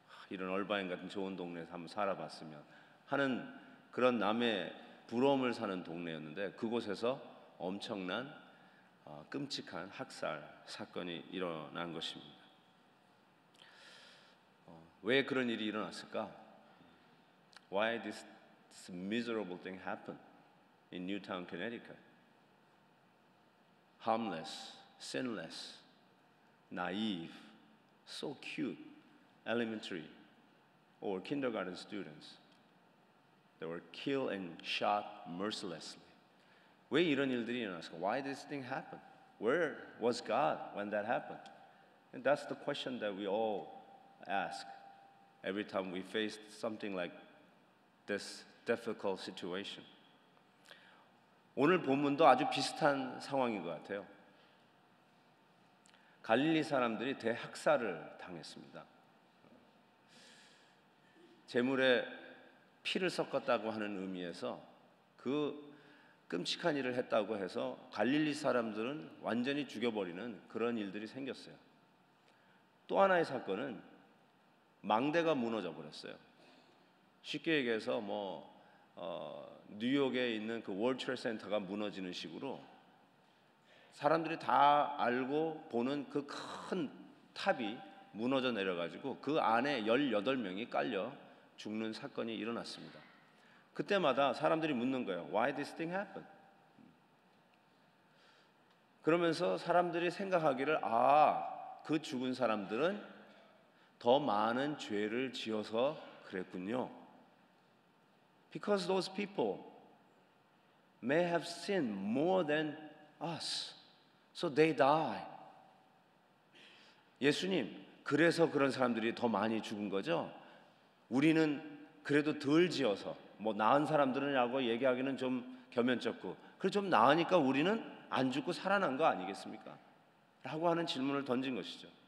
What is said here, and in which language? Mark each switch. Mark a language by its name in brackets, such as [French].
[Korean] 이런 얼바인 같은 좋은 동네에서 한번 살아봤으면 하는 그런 남의 부러움을 사는 동네였는데 그곳에서 엄청난 끔찍한 학살 사건이 일어난 것입니다. 왜 그런 일이 일어났을까? [English] Why this miserable thing happened in Newtown, Connecticut? Harmless, sinless, naive, so cute, elementary. Or kindergarten students, they were killed and shot mercilessly. [Korean] 왜 이런 일들이 일어났을까? [English] Why did this thing happen? Where was God when that happened? And that's the question that we all ask every time we face something like this difficult situation. [Korean] 오늘 본문도 아주 비슷한 상황인 것 같아요. 갈릴리 사람들이 대학살을 당했습니다. 제물에 피를 섞었다고 하는 의미에서 그 끔찍한 일을 했다고 해서 갈릴리 사람들은 완전히 죽여버리는 그런 일들이 생겼어요. 또 하나의 사건은 망대가 무너져 버렸어요. 쉽게 얘기해서 뭐 뉴욕에 있는 그 월드트레이드 센터가 무너지는 식으로 사람들이 다 알고 보는 그 큰 탑이 무너져 내려가지고 그 안에 18명이 깔려 죽는 사건이 일어났습니다. 그때마다 사람들이 묻는 거예요. [English] Why this thing happened? [Korean] 그러면서 사람들이 생각하기를 아, 그 죽은 사람들은 더 많은 죄를 지어서 그랬군요. [English] Because those people may have sinned more than us. So they die. [Korean] 예수님, 그래서 그런 사람들이 더 많이 죽은 거죠? 우리는 그래도 덜 지어서 뭐 나은 사람들이라고 얘기하기는 좀 겸연쩍고 그래 좀 나으니까 우리는 안 죽고 살아난 거 아니겠습니까? 라고 하는 질문을 던진 것이죠.